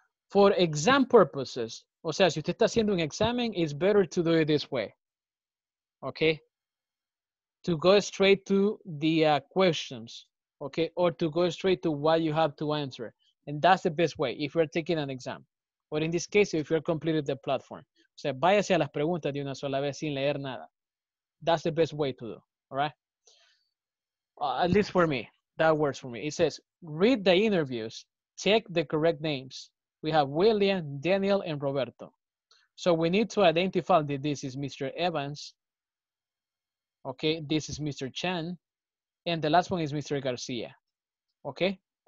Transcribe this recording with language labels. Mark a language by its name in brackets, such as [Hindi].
[English] For exam purposes, [Spanish] o sea, si usted está haciendo un examen, [English] it's better to do it this way. Okay? To go straight to the questions, okay? Or to go straight to what you have to answer. And that's the best way if you're taking an exam. Or in this case, if you're completed the platform. [Spanish] O sea, váyase a las preguntas de una sola vez sin leer nada. [English] That's the best way to do, all right? At least for me, that works for me. It says, read the interviews, check the correct names. We have William, Daniel, and Roberto. So we need to identify that this is Mr. Evans. Okay, this is Mr. Chan. And the last one is Mr. Garcia. Okay?